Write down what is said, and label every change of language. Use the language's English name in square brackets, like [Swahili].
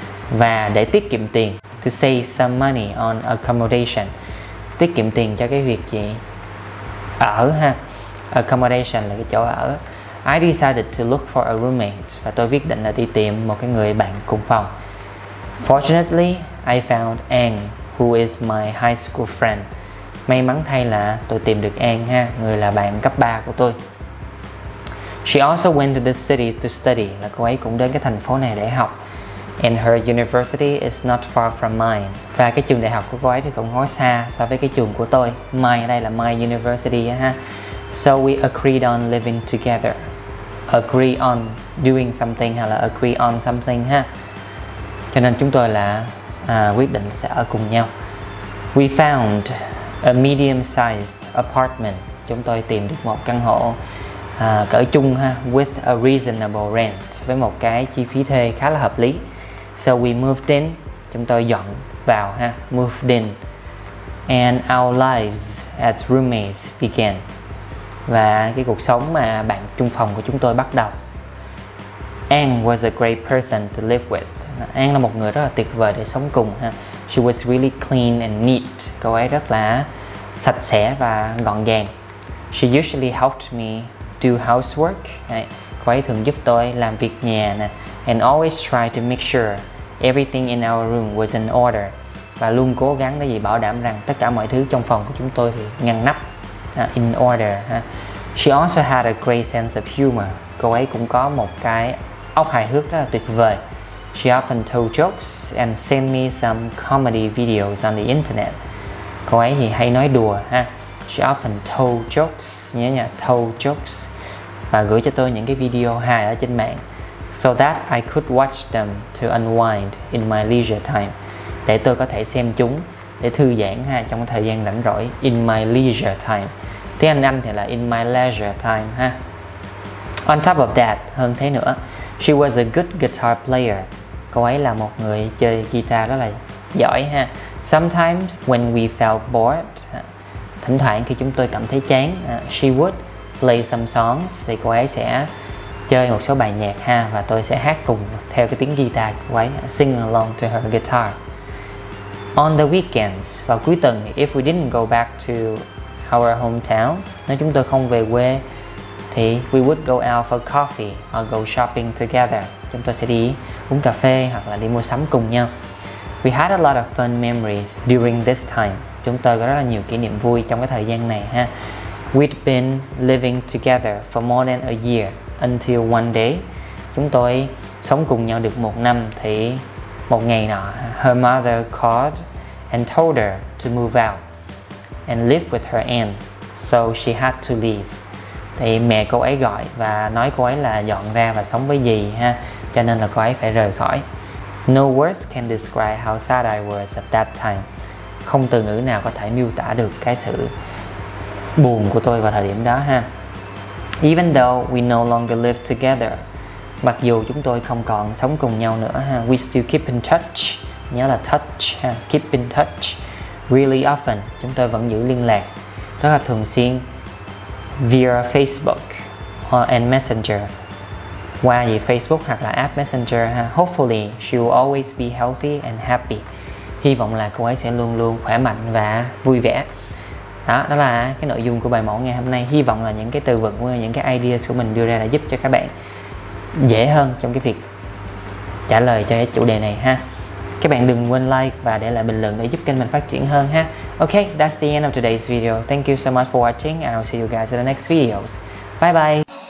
[Vietnamese] Và để tiết kiệm tiền, [English] to save some money on accommodation. [Vietnamese] Tiết kiệm tiền cho cái việc gì? Ở ha. Accommodation là cái chỗ ở. [English] I decided to look for a roommate. [Vietnamese] Và tôi quyết định là đi tìm một cái người bạn cùng phòng. [English] Fortunately, I found Anne, who is my high school friend. [Vietnamese] May mắn thay là tôi tìm được Anne ha, người là bạn cấp 3 của tôi. [English] She also went to the city to study, [Vietnamese] là cô ấy cũng đến cái thành phố này để học. [English] And her university is not far from mine. [Vietnamese] Và cái trường đại học của cô ấy thì cũng không xa so với cái trường của tôi. Mine ở đây là my university ha. [English] So we agreed on living together. Agree on doing something hay là agree on something ha. [Vietnamese] Cho nên chúng tôi là quyết định sẽ ở cùng nhau. [English] We found a medium-sized apartment. [Vietnamese] Chúng tôi tìm được một căn hộ cỡ trung ha, [English] with a reasonable rent, [Vietnamese] với một cái chi phí thuê khá là hợp lý. [English] So we moved in. [Vietnamese] Chúng tôi dọn vào ha, [English] moved in. And our lives as roommates began. [Vietnamese] Và cái cuộc sống mà bạn chung phòng của chúng tôi bắt đầu. [English] Anne was a great person to live with. [Vietnamese] Anne là một người rất là tuyệt vời để sống cùng ha. [English] She was really clean and neat. [Vietnamese] Cô ấy rất là sạch sẽ và gọn gàng. [English] She usually helped me do housework. [Vietnamese] Cô ấy thường giúp tôi làm việc nhà nè. [English] And always try to make sure everything in our room was in order. [Vietnamese] Và luôn cố gắng để gì bảo đảm rằng tất cả mọi thứ trong phòng của chúng tôi thì ngăn nắp. In order ha. [English] She also had a great sense of humor. [Vietnamese] Cô ấy cũng có một cái óc hài hước rất là tuyệt vời. [English] She often told jokes and sent me some comedy videos on the internet. [Vietnamese] Cô ấy thì hay nói đùa ha. [English] She often told jokes, [Vietnamese] nhớ nhỉ, told jokes, và gửi cho tôi những cái video hài ở trên mạng. [English] So that I could watch them to unwind in my leisure time. [Vietnamese] Để tôi có thể xem chúng để thư giãn ha, trong thời gian rảnh rỗi. [English] In my leisure time. [Vietnamese] Tiếng Anh thì là [English] in my leisure time ha. On top of that, [Vietnamese] hơn thế nữa, [English] she was a good guitar player. [Vietnamese] Cô ấy là một người chơi guitar rất là giỏi ha. [English] Sometimes when we felt bored, [Vietnamese] thỉnh thoảng khi chúng tôi cảm thấy chán, [English] she would play some songs, [Vietnamese] thì cô ấy sẽ chơi một số bài nhạc ha, và tôi sẽ hát cùng theo cái tiếng guitar của cô ấy, [English] sing along to her guitar. On the weekends, [Vietnamese] vào cuối tuần, [English] if we didn't go back to our hometown, [Vietnamese] nếu chúng tôi không về quê, thì [English] we would go out for coffee or go shopping together. [Vietnamese] Chúng tôi sẽ đi uống cà phê hoặc là đi mua sắm cùng nhau. [English] We had a lot of fun memories during this time. [Vietnamese] Chúng tôi có rất là nhiều kỷ niệm vui trong cái thời gian này ha. [English] We'd been living together for more than a year until one day. [Vietnamese] Chúng tôi sống cùng nhau được một năm thì một ngày nọ, [English] her mother called and told her to move out and live with her aunt, so she had to leave. [Vietnamese] Thì mẹ cô ấy gọi và nói cô ấy là dọn ra và sống với dì ha, cho nên là cô ấy phải rời khỏi. [English] No words can describe how sad I was at that time. [Vietnamese] Không từ ngữ nào có thể miêu tả được cái sự buồn của tôi vào thời điểm đó ha. [English] Even though we no longer live together, [Vietnamese] mặc dù chúng tôi không còn sống cùng nhau nữa ha, [English] we still keep in touch. [Vietnamese] Nhớ là touch ha, keep in touch. [English] Really often, [Vietnamese] chúng tôi vẫn giữ liên lạc rất là thường xuyên via Facebook and Messenger. Qua gì Facebook hoặc là app Messenger ha. [English] Hopefully she will always be healthy and happy. [Vietnamese] Hy vọng là cô ấy sẽ luôn luôn khỏe mạnh và vui vẻ. Đó là cái nội dung của bài mẫu ngày hôm nay. Hy vọng là những cái từ vựng, những cái ideas của mình đưa ra đã giúp cho các bạn dễ hơn trong cái việc trả lời cho cái chủ đề này ha. Các bạn đừng quên like và để lại bình luận để giúp kênh mình phát triển hơn ha. [English] Ok, that's the end of today's video. Thank you so much for watching and I'll see you guys in the next videos. Bye bye.